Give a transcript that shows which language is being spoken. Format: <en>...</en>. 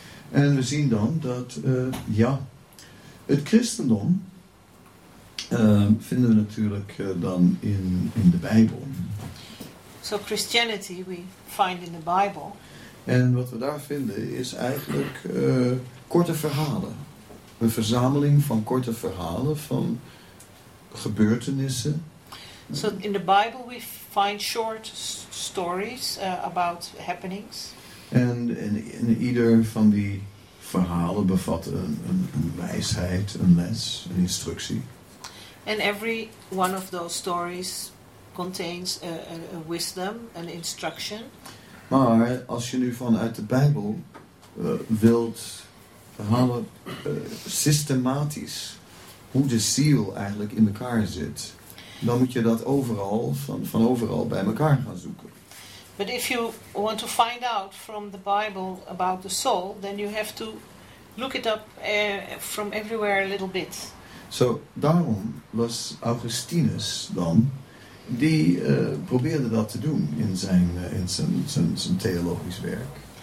<nl>En we zien dan dat het christendom vinden we natuurlijk dan in de Bijbel.</nl> <en>So Christianity we find in the Bible.</en> <nl>En wat we daar vinden is eigenlijk korte verhalen. Een verzameling van korte verhalen van gebeurtenissen.</nl> <en>So in the Bible we find short stories about happenings.</en> <nl>En in ieder van die verhalen bevat een wijsheid, een les, een instructie.</nl> <en>And every one of those stories contains a wisdom, an instruction.</en> <nl>Maar als je nu vanuit de Bijbel wilt verhalen systematisch hoe de ziel eigenlijk in elkaar zit, dan moet je dat overal, van overal bij elkaar gaan zoeken.</nl> <en>But if you want to find out from the Bible about the soul, then you have to look it up from everywhere a little bit.</en> <nl>So, daarom was Augustinus dan, die probeerde dat te doen in zijn theologisch werk.</nl>